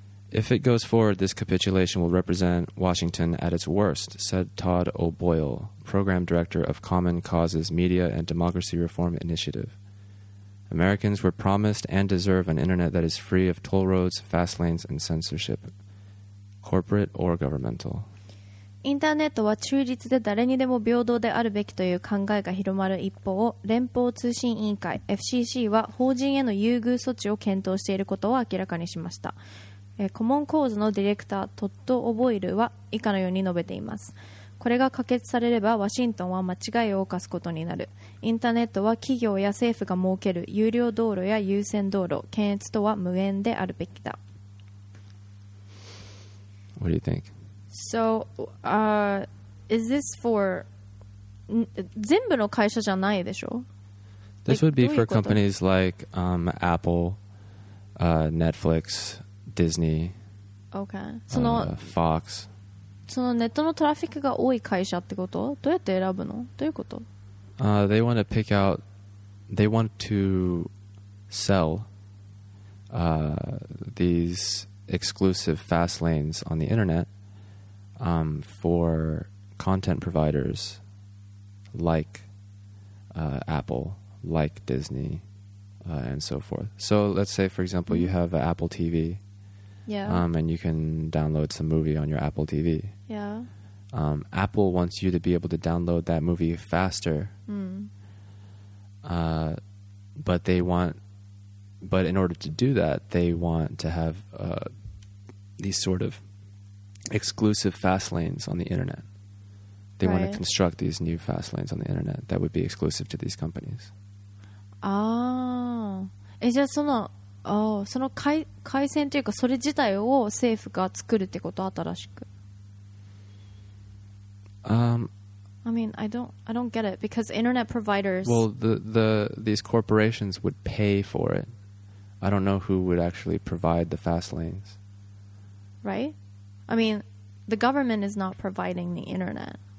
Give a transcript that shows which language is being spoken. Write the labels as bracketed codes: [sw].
[en] If it goes forward, this capitulation will represent Washington at its worst, said Todd O'Boyle, program director of Common Causes Media and Democracy Reform Initiative. Americans were promised and deserve an internet that is free of toll roads, fast lanes, and censorship, corporate or governmental. [ja] インターネットは中立で誰にでも平等であるべきという考えが広まる一方、連邦通信委員会 FCC は法人への優遇措置を検討していることを明らかにしました。コモンコーズのディレクタートッド・オボイルは以下のように述べています。これが可決されればワシントンは間違いを犯すことになる。インターネットは企業や政府が設ける有料道路や優先道路、検閲とは無縁であるべきだ。 [en] What do you think? So, is this for [ja] 全部の会社じゃないでしょ? [en] This would be for companies like Apple, Netflix, Disney, okay. Fox. [ja] そのネットのトラフィックが多い会社ってこと？どうやって選ぶの？どういうこと？ [en] They want to pick out, they want to sell these exclusive fast lanes on the internet for content providers like Apple, like Disney, and so forth. So let's say, for example, you have Apple TV. Yeah. And you can download some movie on your Apple TV. Yeah. Apple wants you to be able to download that movie faster. Mm. But they want, but in order to do that, they want to have these sort of exclusive fast lanes on the internet. They right. want to construct these new fast lanes on the internet that would be exclusive to these companies. Ah, is that [ja] その。 Oh, その回線というかそれ自体を政府が作るってこと新しく。 [en] I mean, I don't get it because internet providers. Well, these corporations would pay for it. I don't know who would actually provide the fast lanes. Right? I mean, the government is not providing the internet.